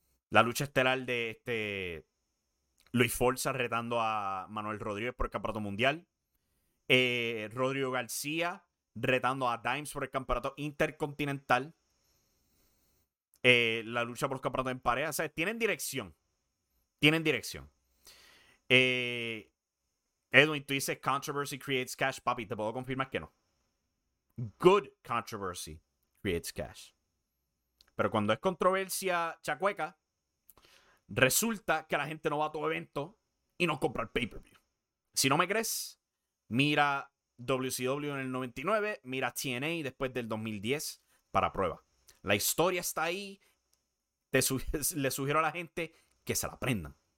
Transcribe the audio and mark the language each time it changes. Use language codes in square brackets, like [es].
[es] La lucha estelar de Luis Forza retando a Manuel Rodríguez por el Campeonato Mundial. Rodrigo García retando a Dimes por el Campeonato Intercontinental. La lucha por los campeonatos en pareja. O sea, tienen dirección. Tienen dirección. Edwin, tú dices [en] controversy creates cash. [es] Papi, te puedo confirmar que no. [en] Good controversy creates cash. [es] Pero cuando es controversia chacueca, resulta que la gente no va a tu evento y no compra el pay-per-view. Si no me crees, mira WCW en el 99, mira TNA después del 2010 para prueba. La historia está ahí. Le sugiero a la gente que se la aprendan.